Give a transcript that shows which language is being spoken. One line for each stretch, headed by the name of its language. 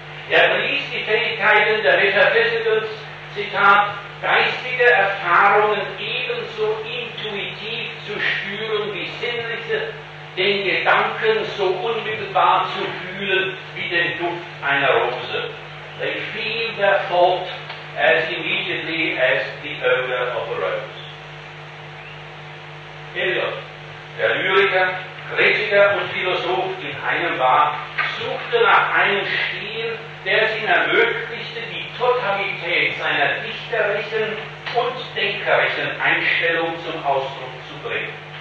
German: Er pries die Fähigkeiten der Metaphysicals, Zitat, geistige Erfahrungen ebenso intuitiv zu spüren wie sinnliche, den Gedanken so unmittelbar zu fühlen wie den Duft einer Rose.
English: They feel their thought as immediately as the odor of a rose.
German: Eliot, der Lyriker, Kritiker und Philosoph in einem war, suchte nach einem Stil, der es ihm ermöglichte, die Totalität seiner dichterischen und denkerischen Einstellung zum Ausdruck zu bringen.